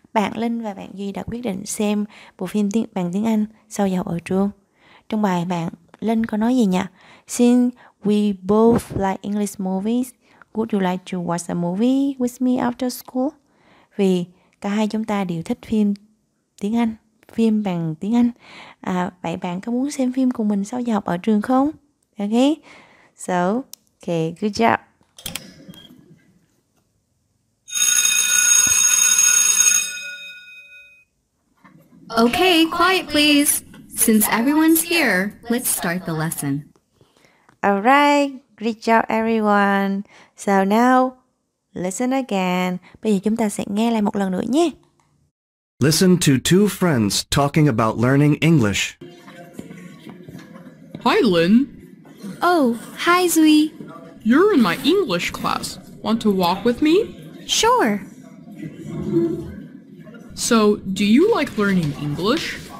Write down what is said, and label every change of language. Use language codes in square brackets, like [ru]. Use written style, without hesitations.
[vi] Bạn Linh và bạn Duy đã quyết định xem bộ phim bằng tiếng Anh sau giờ ở trường. Trong bài bạn Linh có nói gì nhỉ? [en] Since we both like English movies, would you like to watch a movie with me after school? [vi] Vì cả hai chúng ta đều thích phim tiếng Anh, phim bằng tiếng Anh. À, vậy bạn có muốn xem phim cùng mình sau giờ học ở trường không? [en] Okay, so, okay, good job. Okay, quiet please. Since everyone's here, let's start the lesson. Alright, great job everyone. So now, listen again. [vi] Bây giờ chúng ta sẽ nghe lại một lần nữa nhé. [en] Listen to two friends talking about learning English. Hi, Lin. Oh, hi, Zui. You're in my English class. Want to walk with me? Sure. So, do you like learning English?